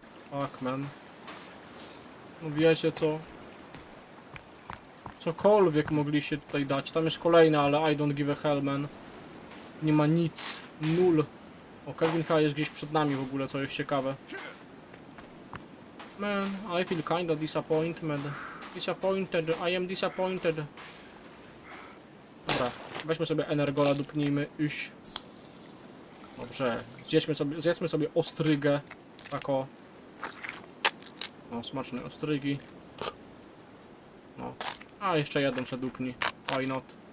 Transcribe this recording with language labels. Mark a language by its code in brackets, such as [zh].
[en] Fuck man. [pl] No wiecie co? Cokolwiek mogli się tutaj dać. Tam jest kolejne, ale [en] I don't give a hell man. [pl] Nie ma nic. Nul. O, Kevin Ha jest gdzieś przed nami w ogóle, co jest ciekawe. [en] Man, I feel kinda disappointed. Disappointed, I am disappointed. [pl] Dobra, weźmy sobie energola, dupnijmy, iść. Dobrze, zjedzmy sobie ostrygę. Tak o. No, smaczne ostrygi. No. A, jeszcze jedną se dupni. [en] Why not?